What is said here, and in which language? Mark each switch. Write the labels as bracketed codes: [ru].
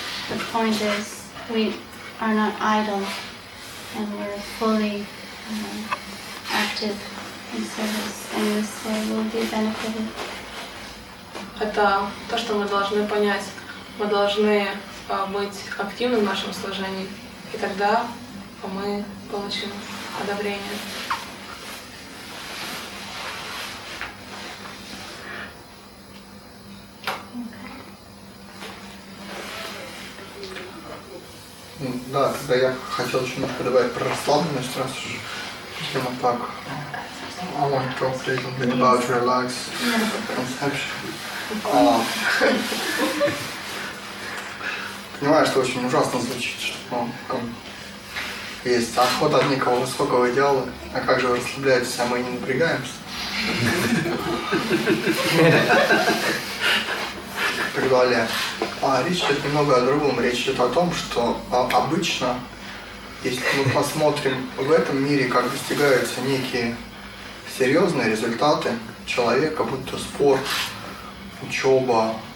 [en] The point is we are not idle and we're fully active in service and this way we'll be benefited. [ru] Это то, что мы должны понять. Мы должны быть активны в нашем служении, и тогда мы получим одобрение. Да, тогда я хотел еще немножко добавить про расслабленность, раз уж тема так. [en] I want to talk a little bit about relax conception. [ru] Понимаю, что очень ужасно звучит, что есть отход от некого высокого идеала, а как же вы расслабляетесь, а мы не напрягаемся? Так далее. А речь идет немного о другом. Речь идет о том, что обычно, если мы посмотрим в этом мире, как достигаются некие серьезные результаты человека, будь то спорт, учеба,